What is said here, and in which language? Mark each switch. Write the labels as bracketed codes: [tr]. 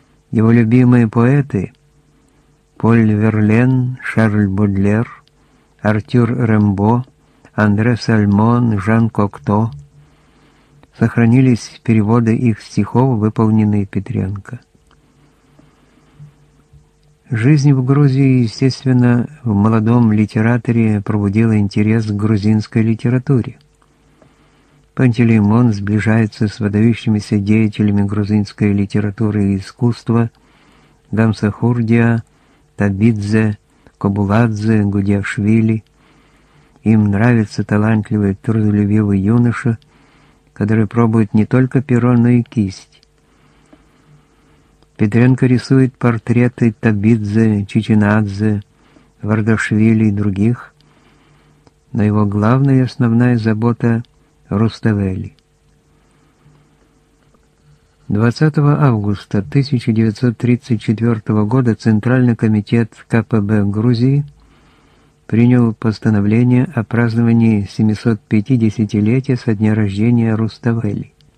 [ru] Его любимые поэты – Поль Верлен, Шарль Бодлер, Артюр Рембо, Андре Сальмон, Жан Кокто – сохранились переводы их стихов, выполненные Петренко. Жизнь в Грузии, естественно, в молодом литераторе пробудила интерес к грузинской литературе. [uk] Пантелеймон зближається з видавшимися діятелями грузинської літератури і іскусства Гамса Хурдія та Бідзе Кобуладзе Гудяшвілі. Їм нравиться талантливий, трудолюбивий юноша, який пробує не тільки перо, але й кисть. Петренко рисує портрети Табідзе, Чичинадзе, Вардашвілі і інших, але його головна і основна забота – Руставелі. [ru] 20 августа 1934 года Центральный комитет КПБ Грузии принял постановление о праздновании 750-летия со дня рождения Руставели.